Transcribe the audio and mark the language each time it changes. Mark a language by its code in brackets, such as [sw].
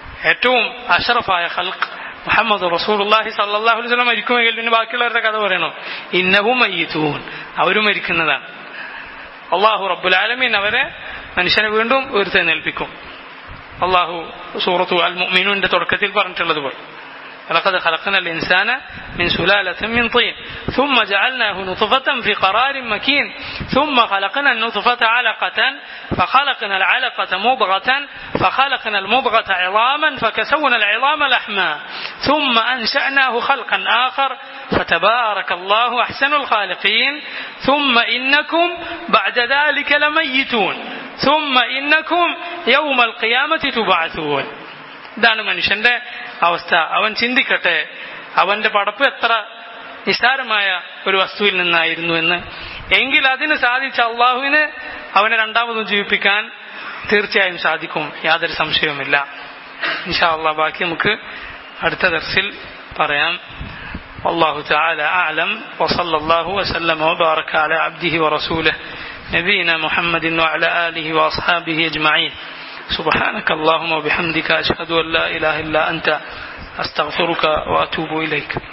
[ml] ഏറ്റവും അഷ്റഫായ ഖൽഖ് മുഹമ്മദ് റസൂലുള്ളാഹി സല്ലല്ലാഹു അലൈഹി വസല്ലം മരിക്കുമെങ്കിൽ പിന്നെ ബാക്കിയുള്ളവരുടെ കഥ പറയണോ? [ar] ഇന്നഹും മയ്യിതൂൻ, [ml] അവരും മരിക്കുന്നതാണ്. അള്ളാഹു റബ്ബുൽ ആലമീൻ അവരെ, മനുഷ്യനെ വീണ്ടും ഉയർത്തെ നേൽപ്പിക്കും. അള്ളാഹു സൂറത്തു അൽ മുഅ്മിനൂന്റെ തുടക്കത്തിൽ പറഞ്ഞിട്ടുള്ളത് പോലെ, [ar] ഖലഖനൽ ഇൻസാന من سلالة من طين ثم جعلناه نطفة في قرار مكين ثم خلقنا النطفة علقة فخلقنا العلقة مضغة فخلقنا المضغة عظاما فكسونا العظام لحما ثم أنشأناه خلقا آخر فتبارك الله أحسن الخالقين ثم إنكم بعد ذلك لميتون ثم إنكم يوم القيامة تبعثون [ml] ഇതാണ് മനുഷ്യന്റെ അവസ്ഥ. അവൻ ചിന്തിക്കട്ടെ അവന്റെ പടപ്പ് എത്ര നിസ്സാരമായ ഒരു വസ്തുവിൽ നിന്നായിരുന്നു എന്ന്. എങ്കിൽ അതിന് സാധിച്ച അള്ളാഹുവിന് അവനെ രണ്ടാമതും ജീവിപ്പിക്കാൻ തീർച്ചയായും സാധിക്കും, യാതൊരു സംശയവുമില്ല. ഇൻഷാഅള്ളാ ബാക്കി നമുക്ക് അടുത്ത ദർസിൽ പറയാം. [ar] അല്ലാഹു തആല അഅലം വസല്ലല്ലാഹു വസല്ലമ വബാറക അല അബ്ദിഹി വറസൂലിഹി നബീന മുഹമ്മദിൻ വഅല ആലിഹി വഅസ്ഹാബിഹി അജ്മഈൻ. سبحانك اللهم وبحمدك أشهد أن لا إله إلا أنت أستغفرك وأتوب إليك.